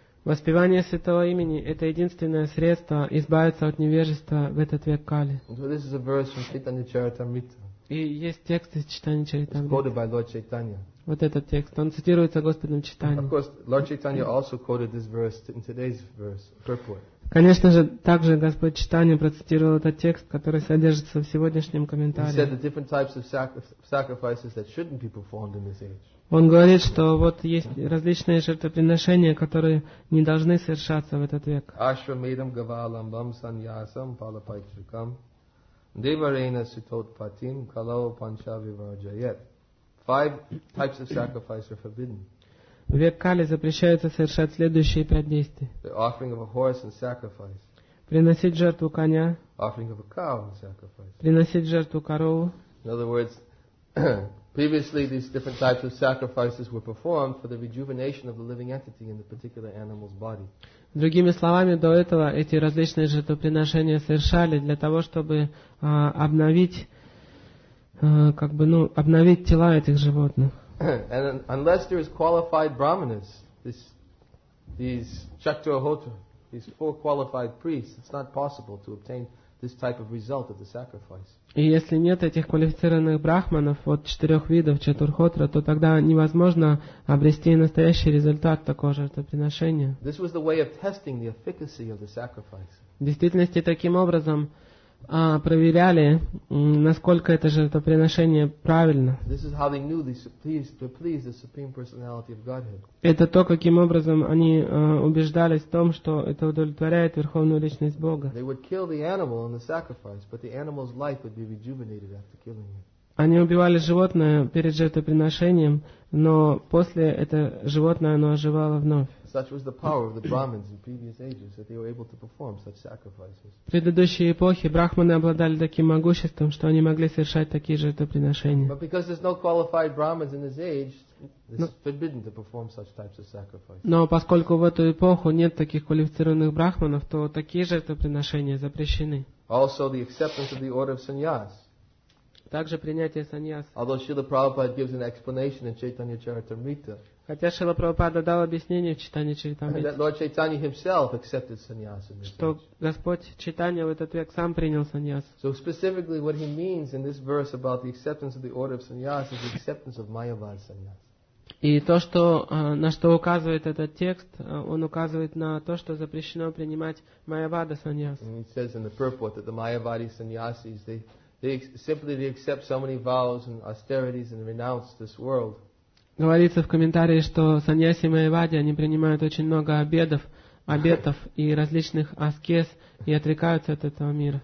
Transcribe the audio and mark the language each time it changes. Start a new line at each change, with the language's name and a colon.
Russian: Воспевание святого имени – это единственное средство избавиться от невежества в этот век Кали.
English: This is a verse from Chaitanya Charitamrita.
Russian: И есть текст из Читания Чайтаньи.
English: Quoted by Lord Chaitanya.
Russian: Вот этот текст. Он цитируется Господом Чайтаньей.
English: Of course, Lord Chaitanya also quoted this verse in today's verse, purport.
Russian: Конечно же, также Господь Чайтанья процитировал этот текст, который содержится в сегодняшнем комментарии.
English: He said the different types of sacrifices that shouldn't be performed in this age.
Russian: Он говорит, что вот есть различные жертвоприношения, которые не должны совершаться в этот век.
Sanskrit: Ашрамидам гавалам саньясам палапайчикам деварейна ситотпатим калау панчавиварджаят.
English: Five types of sacrifice are forbidden.
Russian: В век Кали запрещается совершать следующие пять действий.
English: The offering of a horse and sacrifice.
Russian: Приносить жертву коня.
English: Offering of a cow and sacrifice.
Russian: Приносить жертву корову.
English: In other words, previously these different types of sacrifices were performed for the rejuvenation of the living entity in the particular animal's body.
Russian: Другими словами, до этого эти различные жертвоприношения совершали для того, чтобы обновить тела этих животных.
English: And unless there is qualified brahmanas, these chaturahota, these four qualified priests, it's not possible to obtain this type of result of the sacrifice.
Russian: И если нет этих квалифицированных брахманов от четырех видов чатурхотра, то тогда невозможно обрести настоящий результат такого жертвоприношения.
English: This was the way of testing the efficacy of the sacrifice.
Russian: В действительности таким образом проверяли, насколько это жертвоприношение правильно.
English: This is how they knew to please the Supreme Personality of Godhead.
Russian: Это то, каким образом они убеждались в том, что это удовлетворяет Верховную Личность Бога.
English: They would kill the animal in the sacrifice, but the animal's life would be rejuvenated after killing it.
Russian: Они убивали животное перед жертвоприношением, но после это животное оно оживало вновь.
English: Such was the power of the Brahmins in previous ages that they were able to perform such sacrifices.
Russian: В предыдущие эпохи брахманы обладали таким могуществом, что они могли совершать такие жертвоприношения.
English: But because there's no qualified Brahmins in this age, it's forbidden to perform such types of sacrifices.
Russian: Но поскольку в эту эпоху нет таких квалифицированных брахманов, то такие жертвоприношения запрещены.
English: Also the acceptance of the order of sannyas.
Russian: Также принятие саньяс.
English: Although Srila Prabhupada gives an explanation in Chaitanya Charitamrita.
Russian: Хотя Шрила Прабхупада дал объяснение в Читании Чайтамриты.
English: And Lord Chaitanya himself accepted sannyas in this.
Russian: Что Господь Чайтанья в этот век сам принял саньяс.
English: So specifically what he means in this verse about the acceptance of the order of sannyas is the acceptance of Mayavad sannyas.
Russian: И то, что, на что указывает этот текст, он указывает на то, что запрещено принимать Майявада саньяс.
English: And it says in the purport that the Mayavadi sannyasis, they simply accept so many vows and austerities and renounce this world.
Russian: Говорится в комментарии, что саньяси майявади они принимают очень много обетов и различных аскез и отрекаются от этого мира.